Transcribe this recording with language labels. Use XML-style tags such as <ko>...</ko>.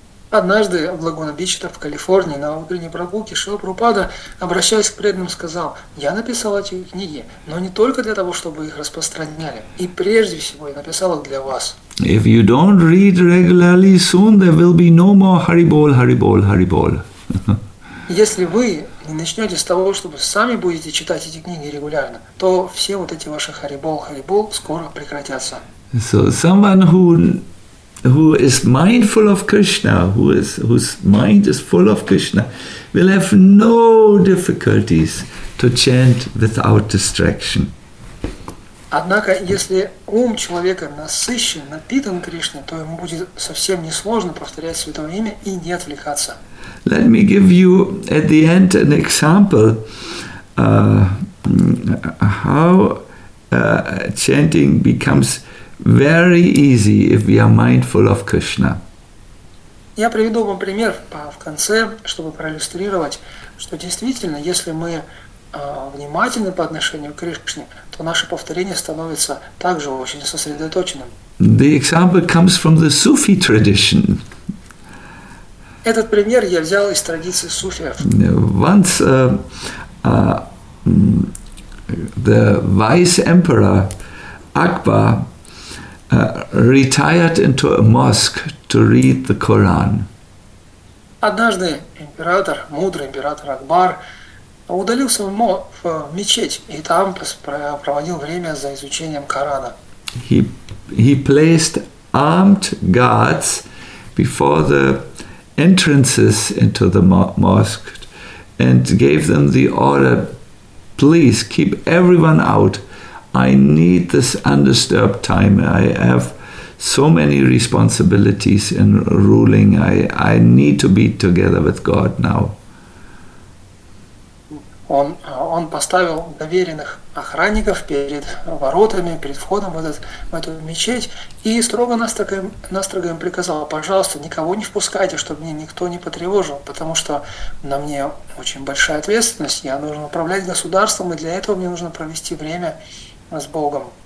<ru>Однажды в Лагуна-Бич, в Калифорнии, на утренней прогулке, Шрила Прабхупада, обращаясь к преданным, сказал, «Я написал эти книги, но не только для того, чтобы их распространяли, и прежде всего я написал их для вас».</ru> <en>If you don't read regularly, soon there will be no more Haribol, Haribol, Haribol.</en> <ru>Если вы не начнете с того, чтобы сами будете читать эти книги регулярно, то все вот эти ваши Haribol, Haribol скоро прекратятся.</ru> <en>So someone who is mindful of Krishna, whose mind is full of Krishna, will have no difficulties to chant without distraction.</en> <ru>Однако, если ум человека насыщен, напитан Кришной, то ему будет совсем несложно повторять Святое Имя и не отвлекаться.</ru> <en>Let me give you at the end an example how chanting becomes very easy if we are mindful of Krishna.</en> <ru>Я приведу вам пример в конце, чтобы проиллюстрировать, что действительно, если мы внимательны по отношению к Кришне, то наше повторение становится также очень сосредоточенным.</ru> <en>The example comes from the Sufi tradition.</en> <ru>Этот пример я взял из традиции суфиев.</ru> <en>Once the vice emperor Akbar retired into a mosque to read the Quran.</en> <ru>Однажды император, мудрый император Акбар, удалился в мечеть и там проводил время за изучением Корана.</ru> <en>He placed armed guards before the entrances into the mosque and gave them the order, please keep everyone out. I need this undisturbed time. I have so many responsibilities in ruling. I need to be together with God now.</en> <ru>Он поставил доверенных охранников перед воротами, перед входом в эту мечеть и строго-настрого им приказал, пожалуйста, никого не впускайте, чтобы меня никто не потревожил, потому что на мне очень большая ответственность, я должен управлять государством, и для этого мне нужно провести время с Богом.</ru>